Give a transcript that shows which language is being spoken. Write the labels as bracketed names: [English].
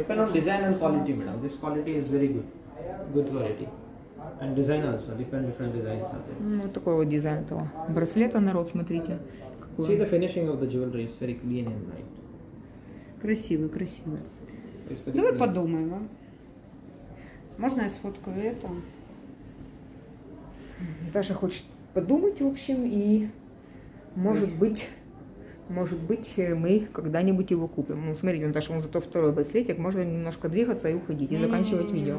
[English] Depend on design and quality, madam. This quality is very good. Good quality. And design also, different designs are there. [Russian] Ну, вот такой вот дизайн этого браслета, народ, смотрите. Какой. [English] See the finishing of the jewelry, it's very clean and bright. [Russian] Красивый, красивый. Давай clean. Подумаем, а? Можно я сфоткаю это? Даша хочет подумать, в общем, и может быть, мы когда-нибудь его купим. Ну, смотрите, Наташа, он зато второй браслетик. Можно немножко двигаться и уходить, и заканчивать видео.